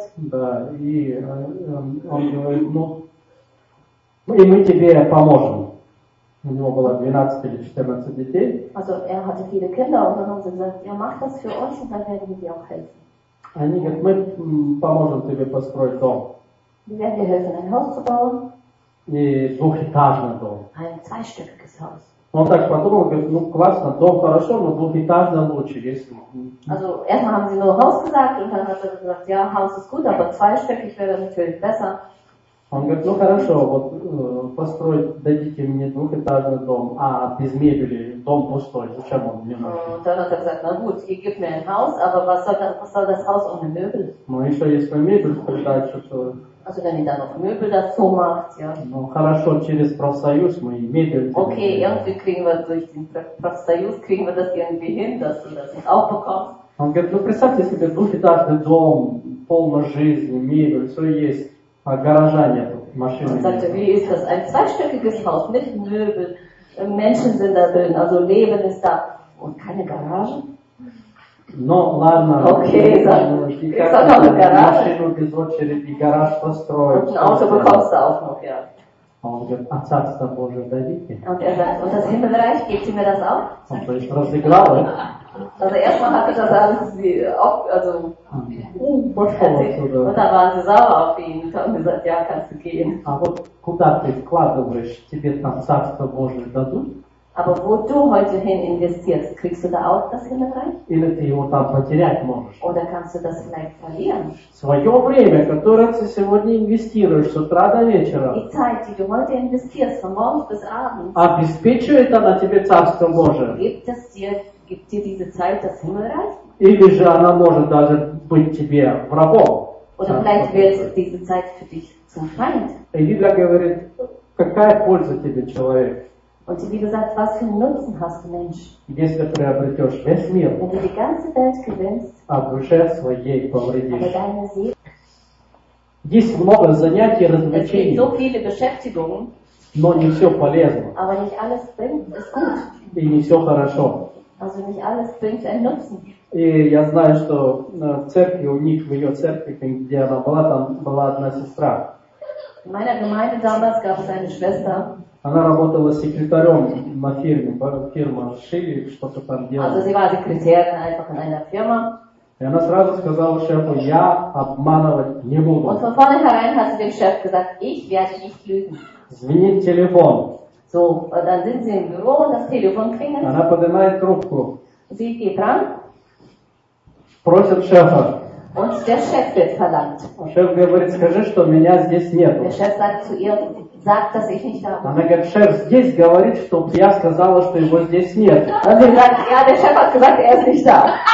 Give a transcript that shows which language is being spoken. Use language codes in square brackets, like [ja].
[ru] Да, и он говорит, ну, и мы тебе поможем. У него было 12 или 14 детей. [de] Also, er hatte viele Kinder, und dann haben sie gesagt, ja, mach das für uns, und dann werden wir dir auch helfen. [ru] Они говорят, мы поможем тебе построить дом. [de] Wir werden dir helfen, ein Haus zu bauen. [ru] И двухэтажный дом. [de] Ein zweistöckiges Haus. [ru] Он так подумал, говорит, ну классно, дом хорошо, но двухэтажный лучше, если. [de] Also, erstmal haben sie nur Haus gesagt und dann hat er gesagt, ja, Haus ist gut, aber zweistöckig wäre natürlich besser. [ru] Он говорит, ну хорошо, вот построить, дадите мне двухэтажный дом, а без мебели дом пустой, зачем он мне нужен? [de] Und dann hat er gesagt, na gut, ihr gebt mir ein Haus, aber was soll das Haus ohne Möbel? [ru] Ну еще если мебель придать, что-то. [de] Also wenn ihr dann noch Möbel dazu macht, ja. [ru] Ну хорошо, через профсоюз мы и мебель. [de] Okay, irgendwie kriegen wir durch den Profsoyuz kriegen wir das irgendwie hin, dass du das auch bekommst. [ru] Он говорит, ну представьте себе двухэтажный дом, полный жизни, мебель, все есть. А гаража нет, машины. Он [de] sagte, wie ist das? Ein zweistöckiges Haus mit Möbel. Menschen sind da drin, also Leben ist da. Und keine Garage? [ru] Ну, ладно. [de] Okay, [ru] машину без очереди, гараж построить. [de] Ein Auto bekommst du auch noch, ja. [ru] Он говорит, а Царство Божие дадите? [de] Und das Himmelreich, gebt ihr mir das auch? [ru] Он то есть разыграл, да? [de] Also erstmal hatte das alles wie auf, also [ru] пошел отсюда. [de] Und da waren sie sauer auf ihn und haben gesagt, ja, kannst du gehen. [ru] А вот куда ты вкладываешь, тебе там Царство Божие дадут? [de] Aber wo du heute hin investierst, kriegst du da auch das Himmelreich? [ru] Или ты его там потерять можешь? [de] Oder kannst du das vielleicht verlieren? [ru] Свое время, которое ты сегодня инвестируешь с утра до вечера. [de] Die Zeit, die du heute investierst, von morgens bis abends. [ru] Обеспечивает она тебе Царство Божие? [de] Gibt dir diese Zeit das Himmelreich? [ru] Или же она может даже быть тебе врагом? [de] Oder vielleicht wird diese Zeit für dich zum Feind? [ru] И Библия говорит, какая польза тебе, человек? [de] Und die Bibel sagt, was für einen Nutzen hast du, Mensch? [ru] Если приобретешь весь мир, [de] wenn du die ganze Welt gewinnst, [ru] а в душе своей повредишь. [de] Aber deine Seele. [ru] Есть много занятий и развлечений. [de] Es gibt so viele Beschäftigungen. [ru] Но не все полезно. [de] Aber nicht alles bringt, ist gut. [ru] И не все хорошо. [de] Also nicht alles bringt einen Nutzen. [ru] И я знаю, что в церкви у них, в ее церкви, где она была, там была одна сестра. [de] In meiner Gemeinde damals gab es eine Schwester. [ru] Она работала секретарем на фирме, фирма шили, что-то там делала. [de] Also sie war Sekretärin einfach in einer Firma. [ru] И она сразу сказала шефу, я обманывать не буду. [de] Und von vornherein hat sie dem Chef gesagt, ich werde nicht lügen. [ru] Звенит телефон. [de] So, dann sind sie im Büro und das Telefon klingelt. [ru] Она поднимает трубку. [de] Sie geht ran. [ru] Просит шефа. [de] Und der Chef wird verlangt. [ru] Шеф говорит, скажи, что меня здесь нету. [de] Der Chef sagt zu ihr, sag, dass ich nicht da bin. [ru] Она говорит, шеф здесь говорит, что я сказала, что его здесь нет. [de] Und sie sagt, ja, der Chef hat gesagt, er ist nicht da.